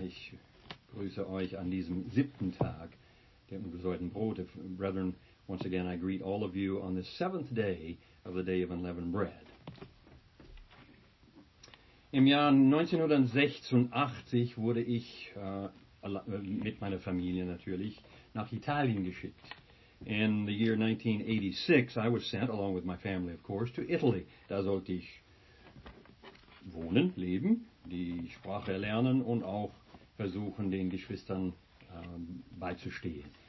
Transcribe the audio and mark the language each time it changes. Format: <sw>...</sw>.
<de>Ich grüße euch an diesem siebten Tag der unbesäuerten Brote.</de> <en>Brethren, once again I greet all of you on the seventh day of the day of unleavened bread.</en> <de>Im Jahr 1986 wurde ich mit meiner Familie natürlich nach Italien geschickt.</de> <en>In the year 1986 I was sent, along with my family of course, to Italy.</en> <de>Da sollte ich wohnen, leben, die Sprache erlernen und auch versuchen, den Geschwistern beizustehen.</de>